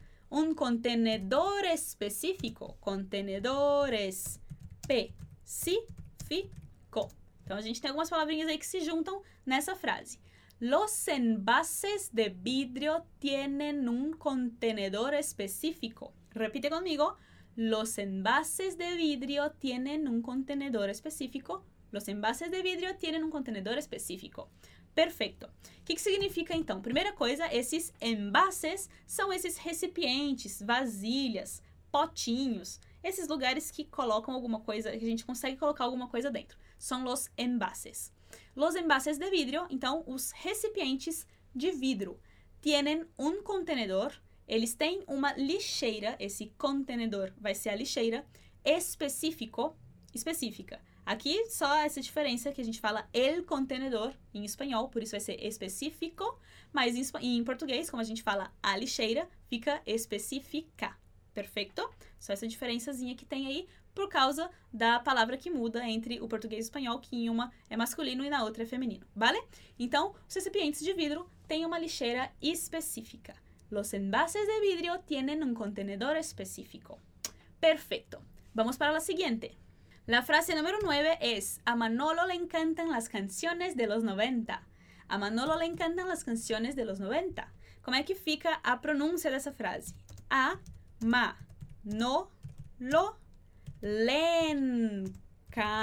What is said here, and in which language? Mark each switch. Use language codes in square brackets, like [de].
[es] Un contenedor específico. Contenedor específico. [pt] Então, a gente tem algumas palavrinhas aí que se juntam nessa frase. [es] Los envases de vidrio tienen un contenedor específico. Repite conmigo. Los envases de vidrio tienen un contenedor específico. Los envases de vidrio tienen un contenedor específico. [pt] Perfeito. O que significa, então? Primeira coisa, esses envases são esses recipientes, vasilhas, potinhos. Esses lugares que colocam alguma coisa, que a gente consegue colocar alguma coisa dentro. São [es] los envases. Los envases de vidrio, [pt] então, os recipientes de vidro. [es] Tienen un contenedor. [pt] Eles têm uma lixeira. Esse contenedor vai ser a lixeira. Específico, específica. Aqui, só essa diferença que a gente fala el contenedor em espanhol, por isso vai ser específico, mas em português, como a gente fala a lixeira, fica específica. Perfeito? Só essa diferençazinha que tem aí, por causa da palavra que muda entre o português e o espanhol, que em uma é masculino e na outra é feminino, vale? Então, os recipientes de vidro têm uma lixeira específica. [es] Los envases de vidrio tienen un contenedor específico. Perfeito. Vamos para la siguiente. La frase número 9 es, a Manolo le encantan las canciones de los 90. A Manolo le encantan las canciones de los 90. [pt] Como é que fica a pronúncia dessa frase? [es] A Manolo le encantan.